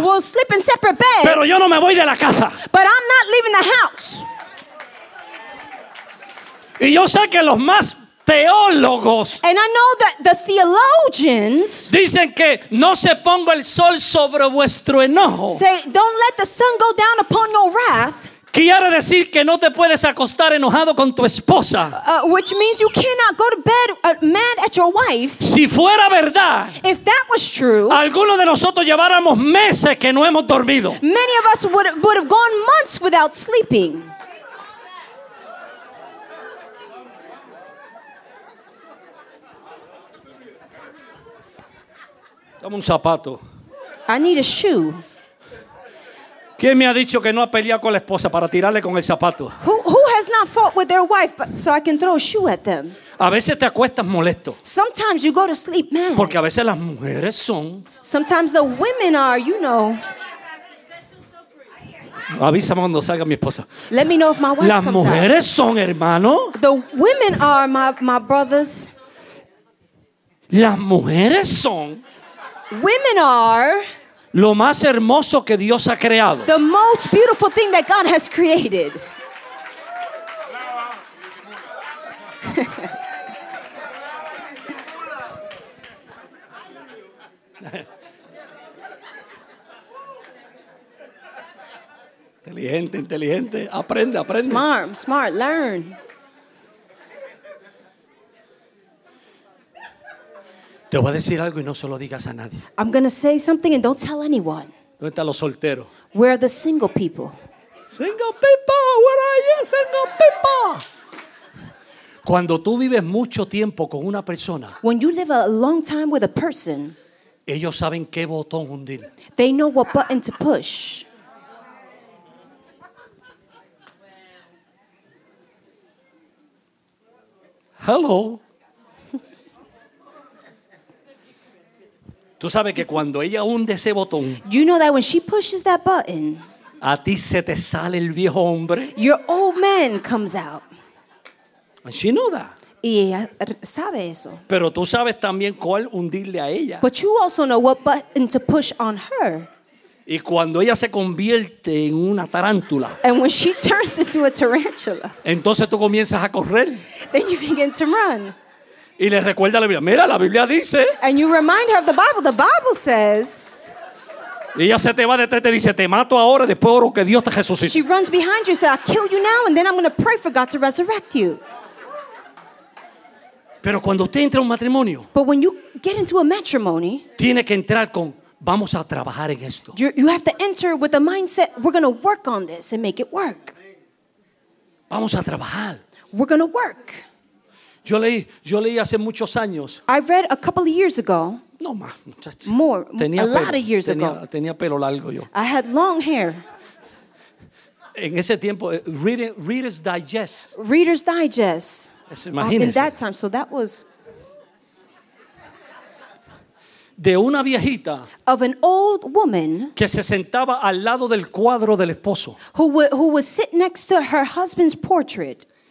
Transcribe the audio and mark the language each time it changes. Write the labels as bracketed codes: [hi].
[en] We'll sleep in separate beds. [es] Pero yo no me voy de la casa. [en] But I'm not leaving the house. [es] Y yo sé que los más teólogos. [en] And I know that the theologians [es] dicen que no se ponga el sol sobre vuestro enojo. [en] Say, don't let the sun go down upon your wrath. [es] Quiere decir que no te puedes acostar enojado con tu esposa. [en] Which means you cannot go to bed mad at your wife. [es] Si fuera verdad, [en] if that was true, [es] algunos de nosotros lleváramos meses que no hemos dormido. [en] Many of us would have gone months without sleeping. [es] Dame un zapato. [en] I need a shoe. [es] ¿Quién me ha dicho que no ha peleado con la esposa para tirarle con el zapato? [en] Who has not fought with their wife but, so I can throw a shoe at them? [es] A veces te acuestas molesto. [en] Sometimes you go to sleep mad. [es] Porque a veces las mujeres son. [en] Sometimes the women are, you know. [es] Avísame cuando salga mi esposa. [en] Let me know if my wife [es] Las [en] comes [es] mujeres [en] out. [es] Son, hermano. [en] The women are my brothers. [es] Las mujeres son. [en] Women are [es] lo más hermoso que Dios ha creado. [en] The most beautiful thing that God has created. [es] Inteligente, aprende. [en] Smart, learn. [es] Te voy a decir algo y no se lo digas a nadie. [en] I'm going to say something and don't tell anyone. [es] ¿Dónde están los solteros? [en] Where are the single people? Single people, where are you, single people? [es] Cuando tú vives mucho tiempo con una persona. [en] When you live a long time with a person. [es] Ellos saben qué botón hundir. [en] They know what button to push. Hello. [es] Tú sabes que cuando ella hunde ese botón, [en] you know that when she pushes that button, [es] a ti se te sale el viejo hombre. [en] Your old man comes out. And she knows that. [es] Y ella sabe eso. Pero tú sabes también cuál hundirle a ella. [en] But you also know what button to push on her. [es] Y cuando ella se convierte en una tarántula, [en] and when she turns into a tarantula, [es] entonces tú comienzas a correr. [en] Then you begin to run. [es] Y le recuerda a la Biblia. Mira, la Biblia dice. [en] And you remind her of the Bible. The Bible says. [es] Y ella se te va detrás y te dice, te mato ahora, después oro que Dios te resucite. [en] She runs behind you and says, I'll kill you now and then I'm going to pray for God to resurrect you. [es] Pero cuando usted entra a un matrimonio, [en] but when you get into a matrimony, [es] tiene que entrar con vamos a trabajar en esto. [en] You have to enter with the mindset we're going to work on this and make it work. [es] Vamos a trabajar. [en] We're going to work. [es] Yo leí hace muchos años. [en] I read a couple of years ago. [es] No más, muchacho. More, tenía a pelo, [en] lot of years [es] tenía, [en] ago. [es] Tenía pelo largo yo. [en] I had long hair. [es] En ese tiempo, Reader's Digest. [en] Reader's Digest. [es] Imagínese. [en] In that time, so that was. [es] De una viejita. [en] Of an old woman. [es] Que se sentaba al lado del cuadro del esposo. [en] Who was sitting next to her husband's portrait.